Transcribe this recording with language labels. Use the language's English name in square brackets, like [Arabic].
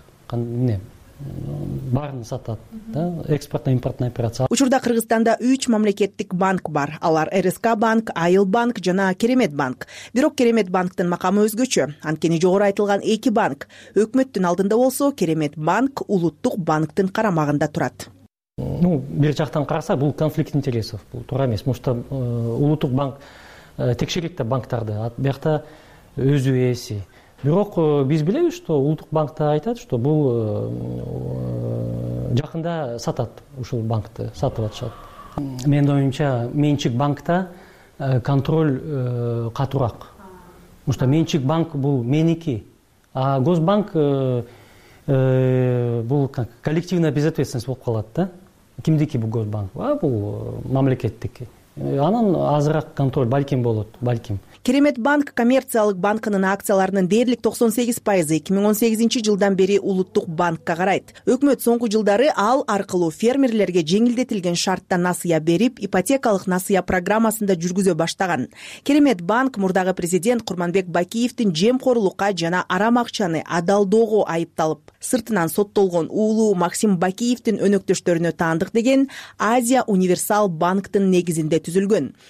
[Kyrgyz] Баарын сатат. [Russian] Экспортно-импортная операция. [Kyrgyz] Учурда Кыргызстанда 3 мамлекеттик банк бар. Алар РСК банк, Айыл банк жана Керемет банк. Бирок Керемет банктын макамы өзгөчө. Анткени жогору айтылган 2 банк өкмөттүн алдында болсо, Керемет банк улуттук банктын карамагында турат. Бир жактан караса бул [Russian] конфликт интересов, [Kyrgyz] бул туура эмес. Мушта улуттук банк текшерет да банктарды, биякта өзү ээси. Бирок биз билебиз, что улуттук банкта айтат, что бул жакында сатат ушул банкты, сатып атышат. Менин оюмча менчик банкта контроль катуураак. [Russian] Потому что [Kyrgyz] менчик банк бул меники, а госбанк бул [Russian] как коллективная безответственность [Kyrgyz] болуп калат да. Кимдики бул госбанк? А бул мамлекеттики. Анан азыраак контроль балким болот, балким. Керемет банк коммерциялык банкынын акцияларынын дээрлик 98% 2018 жылдан бери улуттук банкка карайт. Өкмөт соңку жылдары ал аркылуу фермерлерге жеңилдетилген шартта насыя берип, ипотекалык насыя программасында жүргүзө баштаган. Керемет банк мурдагы президент Курманбек Бакиевдин жемкорлукка жана арам акчаны адалдоого айыпталып, сыртынан соттолгон уулу Максим Бакиевдин өнөктөштөрүнө таандык деген Азия Универсал банктын негизинде түзүлгөн.